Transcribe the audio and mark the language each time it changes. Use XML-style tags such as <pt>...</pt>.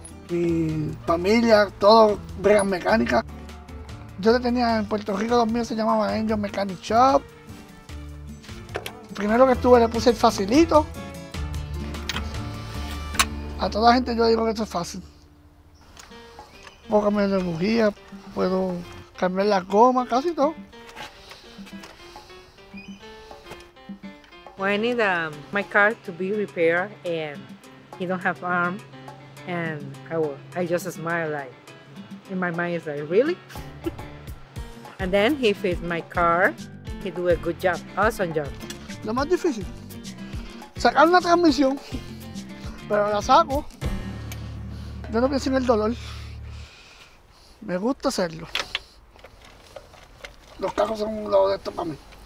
<es>Mi familia, todos bregan mecánica. Yo tenía en Puerto Rico, los míos se llamaban Angel Mechanic Shop. Primero que estuve le puse el facilito. A toda la gente yo digo que esto es fácil. Puedo cambiar de bujía, puedo cambiar las gomas, casi todo.</es> <en>Well, I need my car to be repaired and he don't have arm and I just smile like in my mind is like really? And then he fits my car, he do a good job, awesome job.</en> <es>Lo más difícil, sacar una transmisión, pero la saco, yo no pienso en el dolor, me gusta hacerlo. Los cajos son un lado de esto para mí.</es>